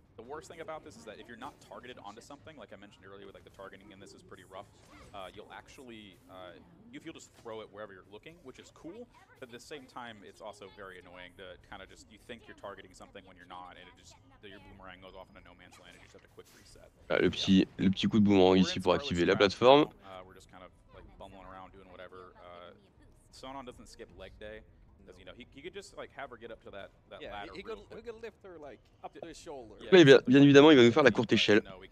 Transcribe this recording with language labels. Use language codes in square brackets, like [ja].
[en] first thing about this is that if you're not targeted onto something, like I mentioned earlier with like the targeting in this is pretty rough, you'll actually, if you'll just throw it wherever you're looking, which is cool, but at the same time, it's also very annoying to kind of just, you think you're targeting something when you're not, and it just, your boomerang goes off into no man's land and you just have to quick reset. [fr] Le petit coup de boomerang ici pour activer la plateforme. [en] We're just kind of like bumbling around doing whatever. Sonon doesn't skip leg day. You know, he could just like have her get up to that yeah, ladder. He could lift her like up to his shoulder. [fr] Yeah, mais bien évidemment, il va nous faire la courte échelle.